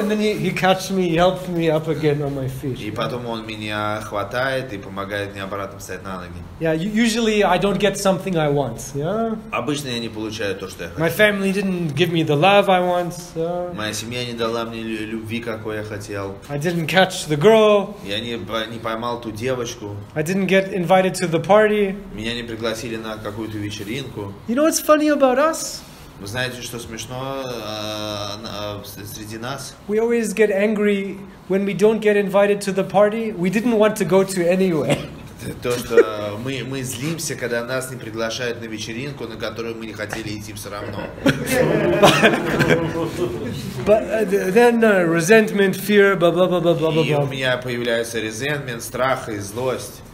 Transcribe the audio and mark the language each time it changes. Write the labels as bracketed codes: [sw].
[en] And then he catches me, helps me up again on my feet. [ru] И потом он меня хватает и помогает мне обратно встать на ноги. [en] Yeah, usually I don't get something I want. Yeah. [ru] Обычно я не получаю то, что я хочу. [en] My family didn't give me the love I want. [ru] Моя семья не дала мне любви, какой я хотел. [en] I didn't catch the girl. [ru] Я не поймал ту девочку. [en] I didn't get invited to the party. [ru] Меня не пригласили на какую-то вечеринку. [en] You know what's funny about us? [ru] Вы знаете, что смешно среди нас? [en] We always get angry when we don't get invited to the party. We didn't want to go to anyway. [ru] То, что мы злимся, когда нас не приглашают на вечеринку, на которую мы не хотели идти все равно. [en] But then resentment, fear, blah-blah-blah-blah-blah-blah. [ru] И у меня появляется resentment, страх и злость.